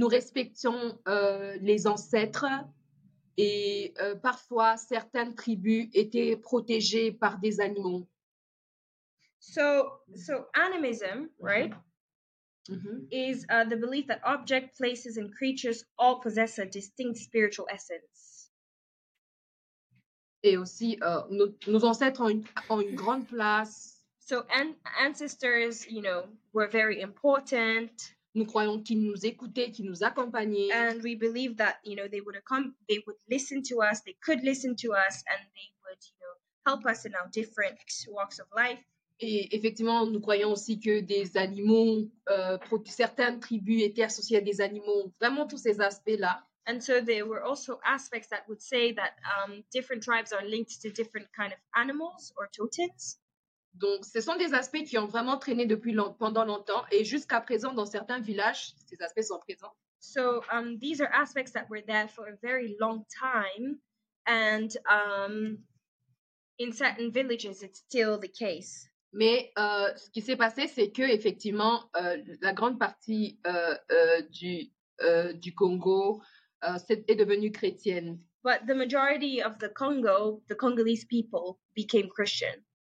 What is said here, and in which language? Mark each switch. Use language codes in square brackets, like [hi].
[fr] Nous respections les ancêtres et parfois certaines tribus étaient protégées par des animaux. [en] So animism, right? Mm-hmm. Mm-hmm. Is the belief that objects, places, and creatures all possess a distinct spiritual essence. [fr] Et aussi, nos ancêtres ont une grande place. [en] So ancestors, you know, were very important. [fr] Nous croyons qu'ils nous écoutaient, qu'ils nous accompagnaient. [en] And we believe that, you know, they would listen to us, they could listen to us, and they would, you know, help us in our different walks of life. [fr] Et effectivement, nous croyons aussi que des animaux, certaines tribus étaient associées à des animaux, vraiment tous ces aspects-là. [en] And so there were also aspects that would say that different tribes are linked to different kind of animals or totems. [fr] Donc, ce sont des aspects qui ont vraiment traîné pendant longtemps et jusqu'à présent, dans certains villages, ces aspects sont présents. [en] So these are aspects that were there for a very long time and in certain villages, it's still the case. [fr] Mais ce qui s'est passé, c'est que effectivement, la grande partie du Congo est devenue chrétienne. [en] But the majority of the Congo, the Congolese people, became Christian.